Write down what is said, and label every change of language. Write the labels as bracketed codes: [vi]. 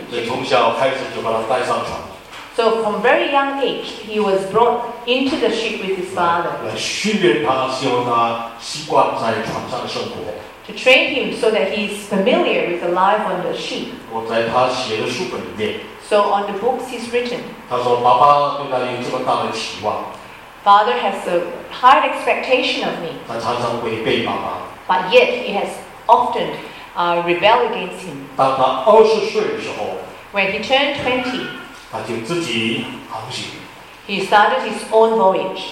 [zh] 所以从小开始就把他带上船。 [en] So from very young age, he was brought into the ship with his father. [zh] 来训练他，希望他习惯在船上的生活。 [en] To train him so that he is familiar with the life on the ship. [zh] 我在他写的书本里面。 [en] So on the books he's written. [zh] 他说：“爸爸对他有这么大的期望。” [en] Father has a high expectation of me. [zh] 他常常违背爸爸。 [en] But yet he has often. Rebel against him. [zh] 当他二十岁的时候 [en] when he turned 20, [zh] 他就自己航行。 [en] He started his own voyage.